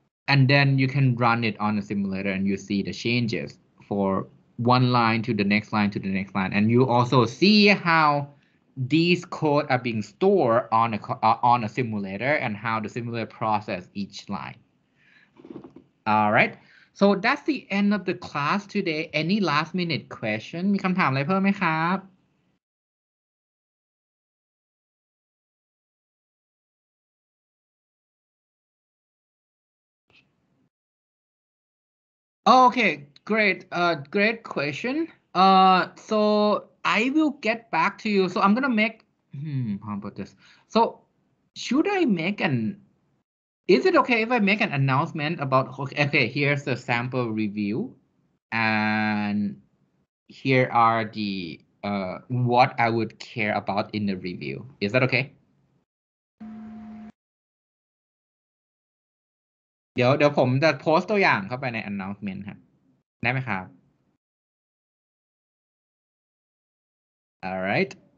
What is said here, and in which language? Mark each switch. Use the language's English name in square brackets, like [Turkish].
[English] And then you can run it on a simulator and you see the changes for one line to the next line to the next line. And you also see how these code are being stored on a simulator and how the simulator process each line. All right. So that's the end of the class today. Any last minute question? [Thai] มีคำถามอะไรเพิ่มไหมครับ [English] Okay, great. Great question. So I will get back to you. So I'm going to make how about this? So should I make an Is it okay if I make an announcement about, okay, here's the sample review and here are the, what I would care about in the review. Is that okay? [Thai] เดี๋ยวผมจะโพสต์ตัวอย่างเข้าไปใน announcement ครับได้ไหมครับ [English] All right.